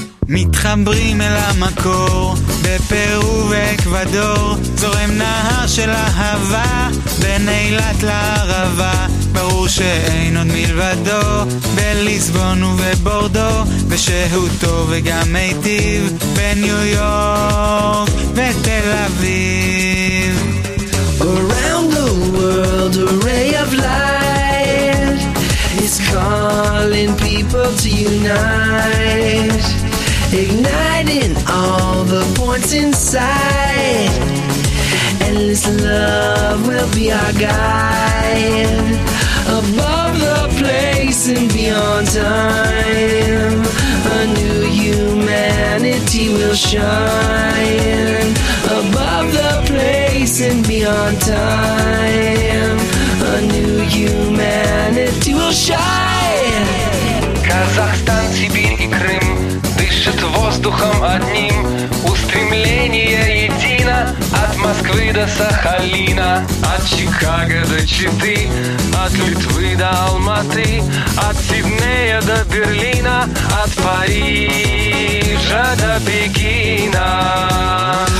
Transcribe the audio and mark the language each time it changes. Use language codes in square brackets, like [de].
[he] מתחברים אל המקור בפרו ואקוודור, זורם נהר של אהבה בין אילת לערבה, ברור שאין עוד מלבדו בליסבון ובבורדו, ושהותו וגם מיטיב בניו יורק ותל אביב. [en] Around the world a ray of light is calling people to unite, igniting all the points inside, endless love will be our guide, above the place and beyond time, a new humanity will shine, above the place and beyond time, a new humanity will shine. [ru] Kazakhstan, Sibir and Krim дышит воздухом одним, устремление едино, от Москвы до Сахалина, от Чикаго до Читы, от Литвы до Алматы, от Сиднея до Берлина, от Парижа до Пекина.